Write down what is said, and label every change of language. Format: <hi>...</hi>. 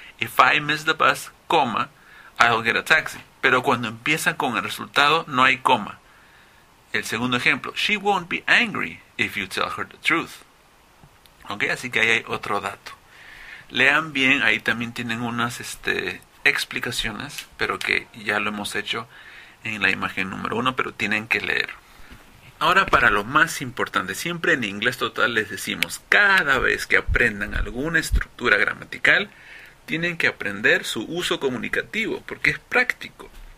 <en>If I miss the bus, coma, I'll get a taxi.</en> <es>Pero cuando empieza con el resultado, no hay coma. El segundo ejemplo.</es> <en>She won't be angry if you tell her the truth.</en> <es>Ok, así que ahí hay otro dato. Lean bien, ahí también tienen unas explicaciones, pero que ya lo hemos hecho en la imagen número uno, pero tienen que leer. Ahora para lo más importante, siempre en inglés total les decimos, cada vez que aprendan alguna estructura gramatical, tienen que aprender su uso comunicativo, porque es práctico.</es>